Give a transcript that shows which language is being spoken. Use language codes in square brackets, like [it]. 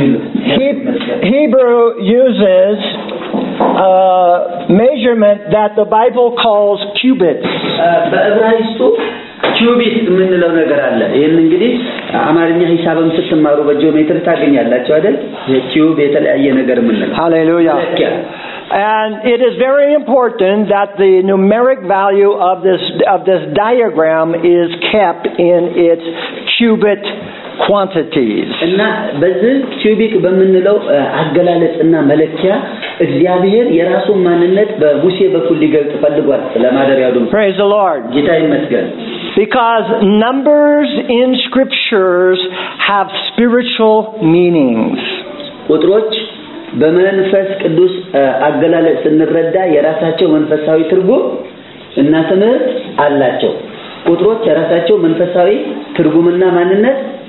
[en] Hebrew uses a measurement that the Bible calls cubits. [am] በእብራይስጥ ኪዩቢት ምን ነው ነገር አለ? ይሄን እንግዲህ አማርኛ ሂሳብም ስትማሩ በጂኦሜትሪ ታገኛላችሁ አይደል? የኪዩብ የተለያየ ነገር ምን ነው? ሃሌሉያ። [en] And it is very important that the numeric value of this diagram is kept in its cubit quantities [am] እና በዚህ ኪዩቢክ በመንለው አገላለጽና መለኪያ እግዚአብሔር የራሱ ማንነት በሙሴ በኩል ሊገልጽ ፈልጓል ለማደሪያው ደግሞ [en] Praise the Lord [am] ጌታ ይመስገን [en] Because numbers in scriptures have spiritual meanings [am] ቁጥሮች በመንፈስ ቅዱስ አገላለጽ እንረዳ የራሳቸው መንፈሳዊ ትርጉም እና ትምህርት አላቸው ቁጥሮች የራሳቸው መንፈሳዊ ትርጉምና ማንነት